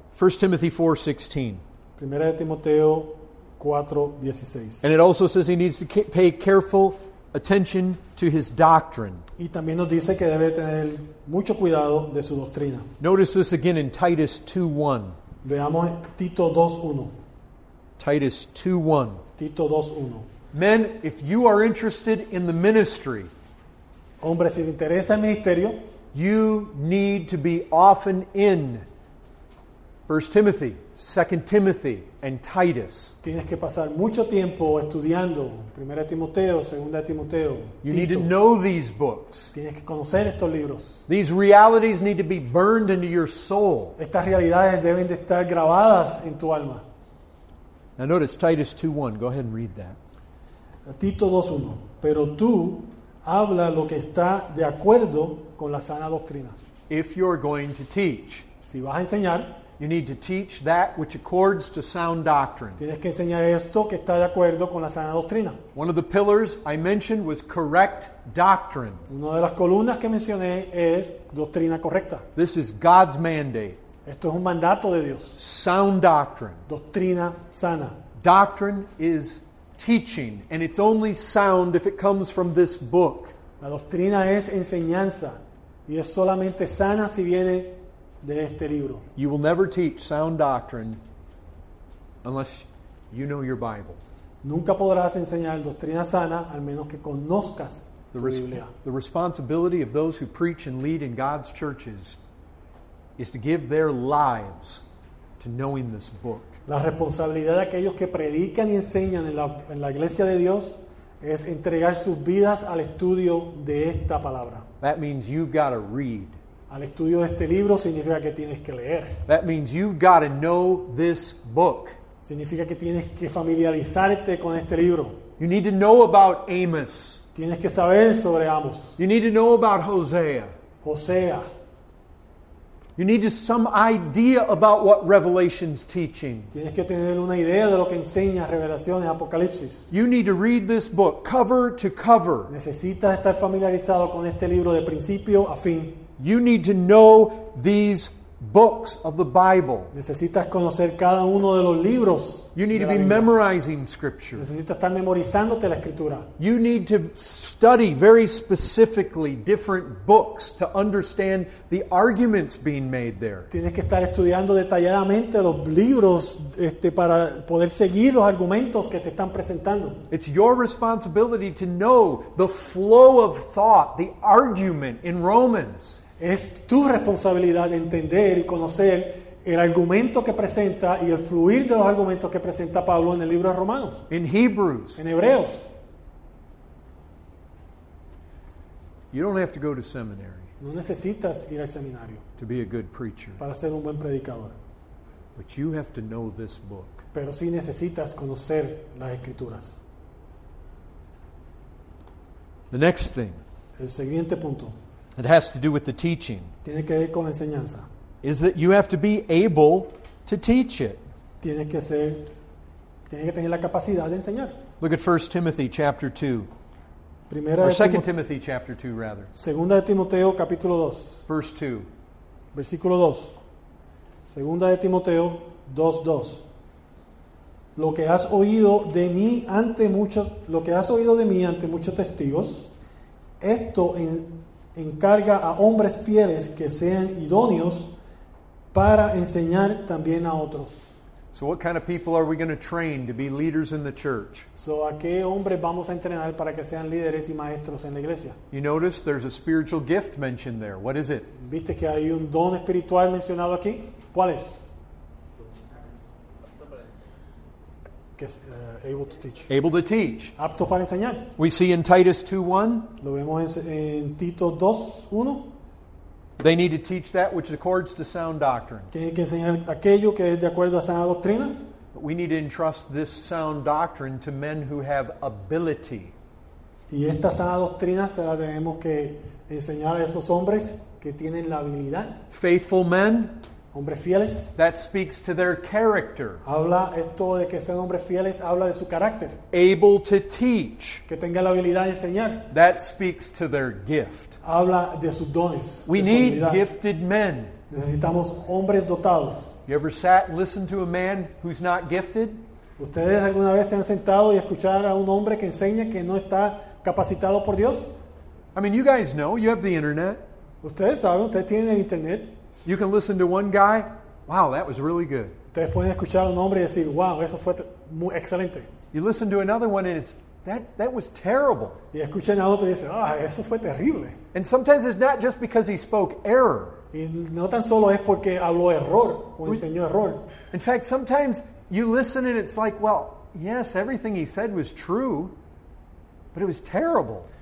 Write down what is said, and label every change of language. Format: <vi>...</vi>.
<en>1 Timothy 4:16.</en> <es>1 Timoteo 4:16.</es> <en>And it also says he needs to pay careful attention to his doctrine.</en> <es>Y también nos dice que debe tener mucho cuidado de su doctrina.</es> <en>Notice this again in Titus 2:1.</en> <es>Veamos Tito 2:1.</es> <en>Titus 2:1.</en> <es>Tito 2:1.</es> <en>Men, if you are interested in the ministry,</en> <es>hombre, si te interesa el ministerio,</es> <en>you need to be often in 1 Timothy, 2 Timothy, and Titus.</en> <es>Tienes que pasar mucho tiempo estudiando 1 Timoteo, 2 Timoteo, Tito.</es> <en>You need to know these books.</en> <es>Tienes que conocer estos libros.</es> <en>These realities need to be burned into your soul.</en> <es>Estas realidades deben de estar grabadas en tu alma.</es> <en>Now notice Titus 2:1. Go ahead and read that.</en> <es>Tito 2:1. Pero tú habla lo que está de acuerdo con la sana doctrina.</es> <en>If you're going to teach,</en> <es>si vas a enseñar,</es> <en>you need to teach that which accords to sound doctrine.</en> <es>Tienes que enseñar esto que está de acuerdo con la sana doctrina.</es> <en>One of the pillars I mentioned was correct doctrine.</en> <es>Una de las columnas que mencioné es doctrina correcta.</es> <en>This is God's mandate.</en> <es>Esto es un mandato de Dios.</es> <en>Sound doctrine.</en> <es>Doctrina sana.</es> <en>Doctrine is teaching, and it's only sound if it comes from this book.</en> <es>La doctrina es enseñanza, y es solamente sana si viene de este libro.</es> <en>You will never teach sound doctrine unless you know your Bible.</en> <es>Nunca podrás enseñar doctrina sana al menos que conozcas tu Biblia.</es> <en>The responsibility of those who preach and lead in God's churches is to give their lives to knowing this book.</en> <es>La responsabilidad de aquellos que predican y enseñan en la iglesia de Dios es entregar sus vidas al estudio de esta palabra.</es> <en>That means you've got to read.</en> <es>Al estudio de este libro significa que tienes que leer.</es> <en>That means you've got to know this book.</en> <es>Significa que tienes que familiarizarte con este libro.</es> <en>You need to know about Amos.</en> <es>Tienes que saber sobre Amos.</es> <en>You need to know about Hosea.</en> <es>Hosea.</es> <en>You need to some idea about what Revelation's teaching.</en> <es>Tienes que tener una idea de lo que enseña Revelaciones, Apocalipsis.</es> <en>You need to read this book cover to cover.</en> <es>Necesitas estar familiarizado con este libro de principio a fin.</es> <en>You need to know these books of the Bible.</en> <es>Necesitas conocer cada uno de los libros.</es> <en>You need to be memorizing scripture.</en> <es>Necesitas estar memorizándote la escritura.</es> <en>You need to study very specifically different books to understand the arguments being made there.</en> <es>Tienes que estar estudiando detalladamente los libros para poder seguir los argumentos que te están presentando.</es> <en>It's your responsibility to know the flow of thought, the argument in Romans.</en> <es>Es tu responsabilidad entender y conocer el argumento que presenta y el fluir de los argumentos que presenta Pablo en el libro de Romanos.</es> <en>In Hebrews.</en> <es>En Hebreos.</es> <en>You don't have to go to seminary.</en> <es>No necesitas ir al seminario.</es> <en>To be a good preacher.</en> <es>Para ser un buen predicador.</es> <en>But you have to know this book.</en> <es>Pero sí necesitas conocer las escrituras.</es> <en>The next thing.</en> <es>El siguiente punto.</es> <en>It has to do with the teaching.</en> <es>Tiene que ver con la enseñanza.</es> <en>Is that you have to be able to teach it.</en> <es>Tiene que tener la capacidad de enseñar.</es> <en>Look at 1 Timothy chapter 2.</en> <es>Primera</es> <en>or 2 Timothy chapter 2 rather.</en> <es>Segunda de Timoteo capítulo 2.</es> <en>Verse 2.</en> <es>Versículo 2. Segunda de Timoteo 2:2. Lo que has oído de mí ante muchos, lo que has oído de mí ante muchos testigos, esto encarga a hombres fieles que sean idóneos para enseñar también a otros.</es> <en>So what kind of people are we going to train to be leaders in the church?</en> <es>So a qué hombres vamos a entrenar para que sean líderes y maestros en la iglesia?</es> <en>You notice there's a spiritual gift mentioned there. What is it?</en> <es>¿Viste que hay un don espiritual mencionado aquí? ¿Cuál es?</es> <en>Able to teach. Able to teach.</en> <es>Apto para enseñar.</es> <en>We see in Titus 2:1.</en> <es>Lo vemos en Tito 2:1.</es> <en>They need to teach that which accords to sound doctrine.</en> <es>Tienen que enseñar aquello que es de acuerdo a sana doctrina.</es> <en>But we need to entrust this sound doctrine to men who have ability.</en> <es>Y esta sana doctrina se la debemos que enseñar a esos hombres que tienen la habilidad.</es> <en>Faithful men.</en> <es>Hombres fieles.</es> <en>That speaks to their character.</en> <es>Habla esto de que sean hombres fieles, habla de su carácter.</es> <en>Able to teach.</en> <es>Que tenga la habilidad de enseñar.</es> <en>That speaks to their gift.</en> <es>Habla de sus dones.</es> <en>We need gifted men.</en> <es>Necesitamos hombres dotados.</es> <en>You ever sat and listened to a man who's not gifted?</en> <es>¿Ustedes alguna vez se han sentado y escuchar a un hombre que enseña que no está capacitado por Dios?</es> <en>I mean, you guys know, you have the internet.</en> <es>Ustedes saben, ustedes tienen el internet.</es> <en>You can listen to one guy. Wow, that was really good.</en> <es>Ustedes pueden escuchar a un hombre y decir, wow, eso fue muy excelente.</es> <en>You listen to another one and it's that was terrible.</en> <es>Y escuchan a otro y dicen, ah, eso fue terrible.</es> <en>And sometimes it's not just because he spoke error.</en> <es>Y no tan solo es porque habló error o enseñó error.</es> <en>In fact, sometimes you listen and it's like, well, yes, everything he said was true, but it was terrible.</en>